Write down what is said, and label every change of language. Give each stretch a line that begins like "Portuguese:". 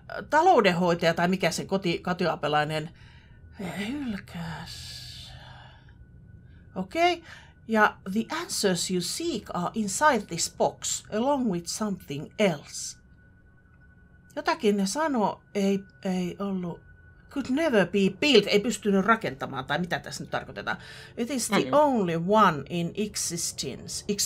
Finnish: Taloudenhoitaja tai mikä se kotiapelainen hylkäs.
English: Okei, ja the answers you seek are inside this box, along with something else.
Finnish: Jotakin ne sanoo, ei ollut,
English: could never be built,
Finnish: ei pystynyt rakentamaan, tai mitä tässä nyt tarkoitetaan.
English: It is the only one in existence.